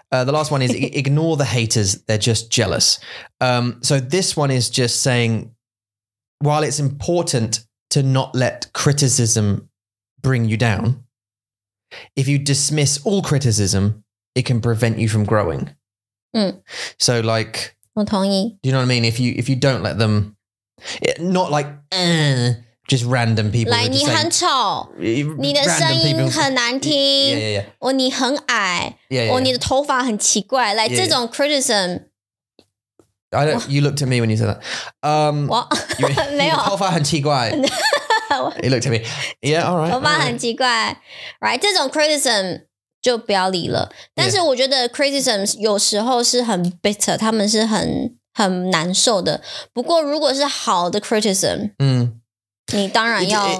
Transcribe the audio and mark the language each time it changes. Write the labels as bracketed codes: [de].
[en] The last one is ignore the haters. They're just jealous. So this one is just saying, while it's important to not let criticism bring you down, if you dismiss all criticism, it can prevent you from growing. So like, [zh] 我同意. [en] Do you know what I mean? If you don't let them, not like, just random people. [zh] 你很丑，你的声音很难听。你很矮，你的头发很奇怪。这种 criticism. [en] I don't. You looked at me when you said that. [zh] 我没有，头发很奇怪。 [en] He looked at me. Yeah, all right. [zh] 头发很奇怪。Right, 这种 criticism 就不要理了。但是我觉得 criticisms 有时候是很 bitter， 他们是很难受的。不过如果是好的 criticism， 你当然要。